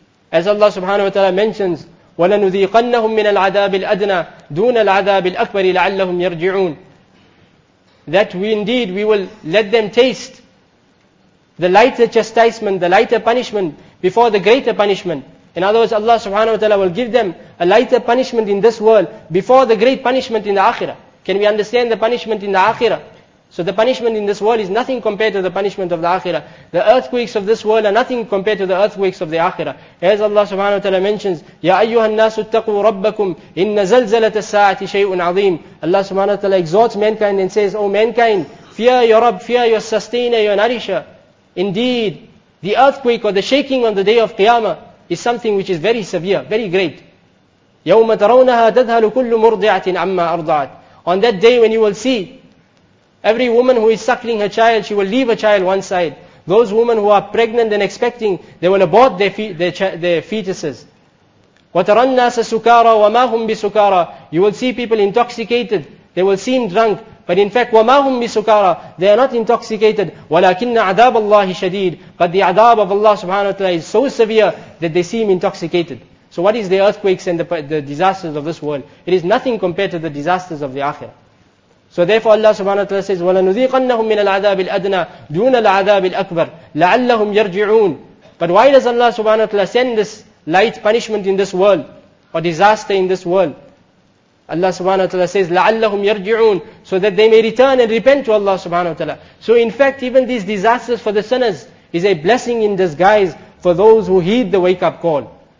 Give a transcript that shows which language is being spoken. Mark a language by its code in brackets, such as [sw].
[en] As Allah subhanahu wa ta'ala mentions, [ar] وَلَنُذِيقَنَّهُم مِّنَ الْعَذَابِ الْأَدْنَى دُونَ الْعَذَابِ الْأَكْبَرِ لَعَلَّهُمْ يَرْجِعُونَ, [en] that we indeed, we will let them taste the lighter chastisement, the lighter punishment before the greater punishment. In other words, Allah subhanahu wa ta'ala will give them a lighter punishment in this world before the great punishment in the akhirah. Can we understand the punishment in the Akhirah? So the punishment in this world is nothing compared to the punishment of the Akhirah. The earthquakes of this world are nothing compared to the earthquakes of the Akhirah. As Allah subhanahu wa ta'ala mentions, [ar] يَا أَيُّهَا النَّاسُ اتَّقُوا رَبَّكُمْ إِنَّ زَلْزَلَةَ السَّاعَةِ شَيْءٌ عَظِيمٌ. [en] Allah subhanahu wa ta'ala exhorts mankind and says, O mankind, fear your Rabb, fear your sustainer, your nourisher. Indeed, the earthquake or the shaking on the day of Qiyamah is something which is very severe, very great. [ar] يَوْمَ تَرَوْنَهَا تَذْهَلُ كُلُّ مُرْضِعَةٍ عَمَّا أَرْضَعَتْ. [en] On that day when you will see, every woman who is suckling her child, she will leave her child one side. Those women who are pregnant and expecting, they will abort their fetuses. [ar] وَتَرَى النَّاسَ سُكَارَى وَمَا هُمْ بِسُكَارَى. [en] You will see people intoxicated. They will seem drunk. But in fact, [ar] وَمَا هُمْ بِسُكَارَى. [en] They are not intoxicated. [ar] وَلَكِنَّ عَذَابَ اللَّهِ شَدِيدٌ. [en] But the adab of Allah subhanahu wa ta'ala is so severe that they seem intoxicated. So what is the earthquakes and the disasters of this world? It is nothing compared to the disasters of the Akhirah. So therefore Allah subhanahu wa ta'ala says, [ar] وَلَنُذِيقَنَّهُمْ مِنَ الْعَذَابِ الْأَدْنَى دُونَ الْعَذَابِ الْأَكْبَرِ لَعَلَّهُمْ يَرْجِعُونَ. [en] But why does Allah subhanahu wa ta'ala send this light punishment in this world, or disaster in this world? Allah subhanahu wa ta'ala says, [ar] لَعَلَّهُمْ يَرْجِعُونَ, [en] so that they may return and repent to Allah subhanahu wa ta'ala. So in fact, even these disasters for the sinners is a blessing in disguise for those who heed the wake-up call.